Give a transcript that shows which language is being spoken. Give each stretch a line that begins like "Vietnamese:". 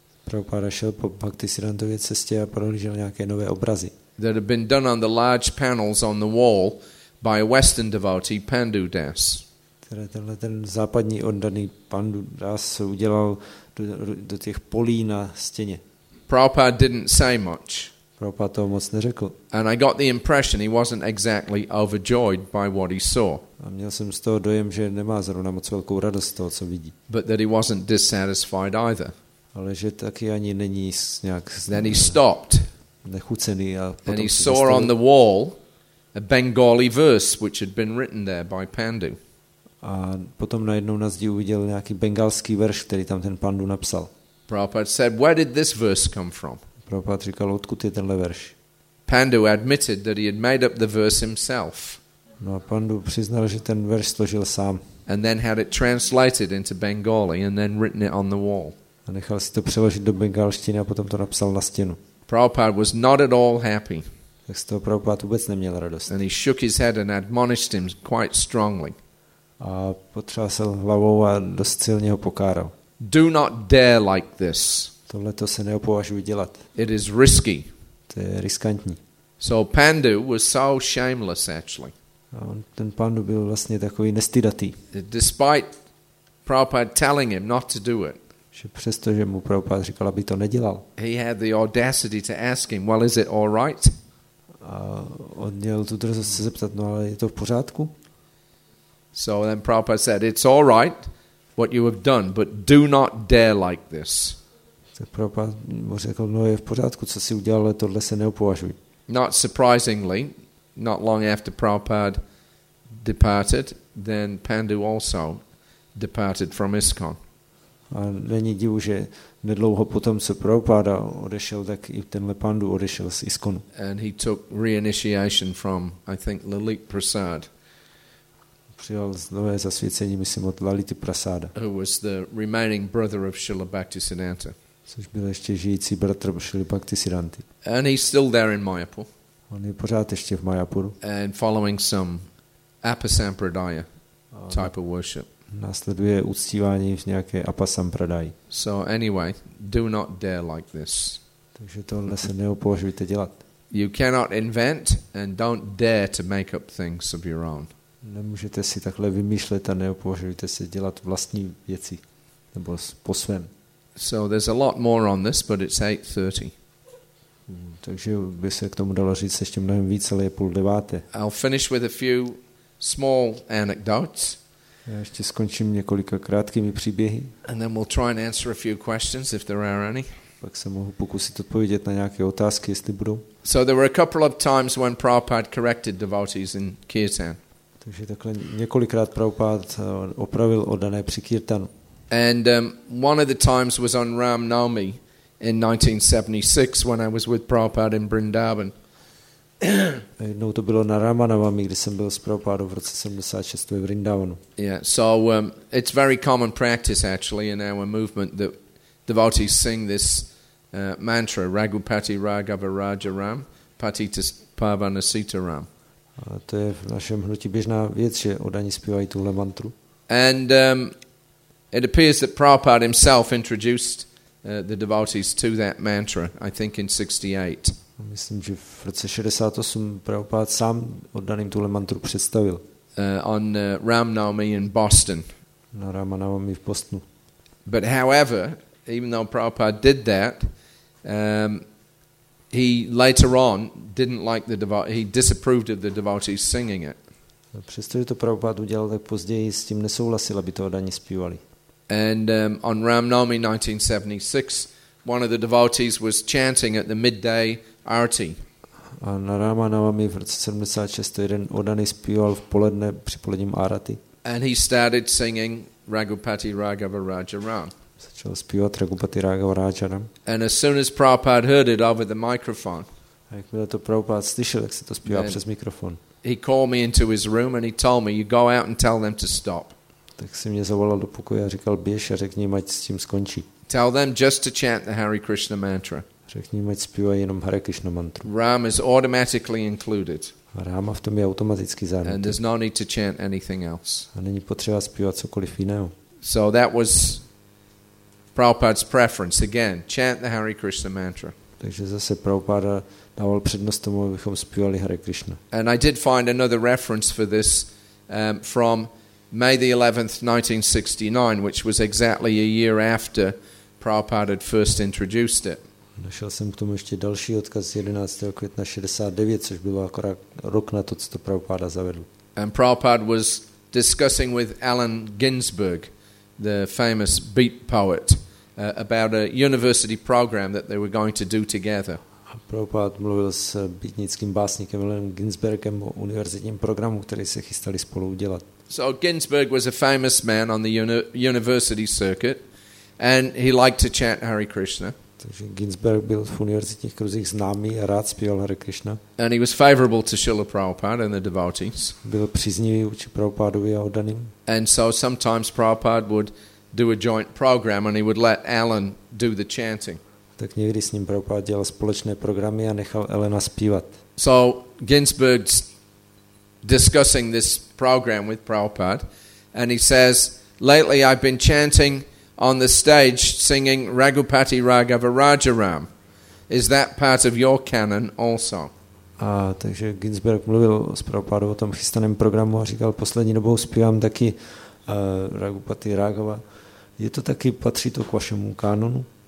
Czech: Prabhupada šel po Bhaktisiddhantově cestě a prohlížel nějaké nové obrazy.
English: That had been done on the large panels on the wall by a Western devotee Pandu Das.
Czech: Tenhle ten západní oddaný Pandu Das udělal do těch polí na stěně.
English: Prabhupada didn't say much.
Czech: Prabhupada toho moc neřekl.
English: And I got the impression he wasn't exactly overjoyed by what he saw.
Czech: A měl jsem z toho dojem, že nemá zrovna moc velkou radost z toho, co vidí.
English: But that he wasn't dissatisfied either.
Czech: Ale že taky ani není nějak.
English: Then he stopped.
Czech: Nechucený a potom.
English: And he saw on the wall a Bengali verse which had been written there by Pandu.
Czech: A potom najednou na zdi uviděl nějaký bengalský verš, který tam ten Pandu napsal.
English: Prabhupada said, "Where did this verse come from?"
Czech: Prabhupada říkal, odkud je tenhle verš?
English: Pandu admitted that he had made up the verse himself.
Czech: No a Pandu přiznal, že ten verš složil sám.
English: And then had it translated into Bengali and then written it on the wall.
Czech: A nechal si to přeložit do bengalštiny a potom to napsal na stěnu.
English: Prabhupada was not at all happy.
Czech: Tak z toho Prabhupada vůbec neměl radost.
English: And he shook his head and admonished him quite strongly.
Czech: A potřásl hlavou a dost silně ho pokáral.
English: Do not dare like this.
Czech: Tohle to se neopovažuji dělat.
English: It is risky.
Czech: To je riskantní.
English: So Pandu was so shameless actually.
Czech: A on, ten Pandu byl vlastně takový nestydatý.
English: Despite Prabhupada telling him not to do it.
Czech: Že přesto, že mu Prabhupada říkal, aby to nedělal.
English: He had the audacity to ask him, well, is it all right?
Czech: A on měl tu drzost se zeptat, no ale je to v pořádku?
English: So then Prabhupada said, it's all right what you have done, but do not dare like this.
Czech: Tak Prabhupada mu řekl, no je v pořádku, co jsi udělal, ale tohle se neopovažuj.
English: Not surprisingly, not long after Prabhupada departed, then Pandu also departed from ISKCON.
Czech: A není divu, že nedlouho potom, co Prabhupada odešel, tak i tenhle Pandu odešel z ISKCONu.
English: And he took reinitiation from, I think, Lalit Prasad.
Czech: Přijal nové zasvěcení, myslím, od Lality Prasada.
English: Who was the remaining brother of Srila Bhaktisiddhanta.
Czech: Což byl ještě žijící bratr Srila Bhaktisiddhanty.
English: And he's still there in Mayapur.
Czech: On je pořád ještě v Mayapuru.
English: And following some Apasampradaya type of worship.
Czech: Následuje uctívání v nějaké Apasampradaji.
English: So anyway, do not dare like this.
Czech: Takže tohle se neopovažujte dělat.
English: You cannot invent and don't dare to make up things of your own.
Czech: Nemůžete si takhle vymýšlet a neopovažujte se dělat vlastní věci. Nebo po svém.
English: So there's a lot more on this, but it's 8:30.
Czech: Takže by se k tomu dalo říct ještě mnohem více, ale je půl deváté.
English: I'll finish with a few small anecdotes.
Czech: Já ještě skončím několika krátkými příběhy.
English: And then we'll try and answer a few questions if there are any.
Czech: Pak se mohu pokusit odpovědět na nějaké otázky, jestli budou.
English: So there were a couple of times when Prabhupada corrected devotees in Kirtan.
Czech: Takže takhle několikrát Prabhupada opravil oddané při Kirtanu.
English: And one of the times was on Ram Naomi in 1976 when I was with Prabhupada in Vrindavan.
Czech: Jednou to bylo na Ramanavami, kdy jsem byl s Prabhupádou v roce 76 ve Vrindavanu.
English: Yeah, so it's very common practice actually in our movement that devotees sing this mantra Raghupati Raghava Raja Ram Patita Pavana Sita Ram.
Czech: A to je v našem hnutí běžná věc, že oddaní zpívají tuhle mantru.
English: And it appears that Prabhupada himself introduced the devotees to that mantra, I think in 68.
Czech: Myslím, že v roce 68 Prabhupada sám oddaným tuhle mantru představil.
English: On Ram Naomi in Boston.
Czech: Na Rama Naomi v Bostonu.
English: But however, even though Prabhupada did that, he later on didn't like the devotees, he disapproved of the devotees singing it.
Czech: Přestože to Prabhupada udělal, tak později s tím nesouhlasil, aby to oddaní zpívali.
English: And on Ram Naomi 1976, one of the devotees was chanting at the midday arti.
Czech: A na Rama Naomi v roce 76 jeden oddaný zpíval v poledne při poledním arati.
English: And he started singing Raghupati Raghava Raja Ram.
Czech: Začal zpívat Raghupati Raghava Raja Ram.
English: And as soon as Prabhupada heard it over the microphone,
Czech: a jakmile to Prabhupada slyšel, jak se to zpívá přes mikrofon,
English: he called me into his room and he told me, you go out and tell them to stop.
Czech: Tak si mě zavolal do pokoje a říkal, běž a řekni, ať s tím skončí.
English: Tell them just to chant the Hare Krishna mantra.
Czech: Řekni jim, ať zpívají jenom Hare Krishna mantru.
English: Ram is automatically included.
Czech: Ráma v tom je automaticky zahrnutý.
English: And there's no need to chant anything else.
Czech: A není potřeba zpívat cokoliv jiného.
English: So that was Prabhupada's preference. Again, chant the Hare Krishna mantra.
Czech: Takže zase Prabhupada dával přednost tomu, abychom zpívali Hare Krishna.
English: And I did find another reference for this from May the 11th, 1969, which was exactly a year after Prabhupada had first introduced it.
Czech: Našel jsem k tomu ještě další odkaz z 11. května 69, což bylo akorát rok na to, co to Prabhupada zavedl.
English: And Prabhupada was discussing with Allen Ginsberg, the famous beat poet, about a university program that they were going to do together.
Czech: A Prabhupada mluvil s beatnickým básníkem Allen Ginsbergem o univerzitním programu, který se chystali spolu udělat.
English: So Ginsberg was a famous man on the university circuit and he liked to chant Hare Krishna.
Czech: Takže Ginsberg byl v univerzitních kruzích známý a rád zpíval Hare Krishna.
English: And he was favorable to Srila Prabhupada and the devotees.
Czech: Byl příznivý vůči Prabhupádovi a oddaným.
English: And so sometimes Prabhupada would do a joint program and he would let Alan do the chanting.
Czech: Tak někdy s ním Prabhupada dělal společné programy a nechal Alana zpívat.
English: So Ginsberg's discussing this program with Prabhupada and he says, lately I've been chanting on the stage singing Raghupati Raghava Rajaram. Is that part of your canon also?
Czech: A takže Ginsberg mluvil s Prabhupádou o tom chystaném programu a říkal, poslední dobou zpívám taky Raghupati Raghava. Je to taky, patří to k vašemu kanonu?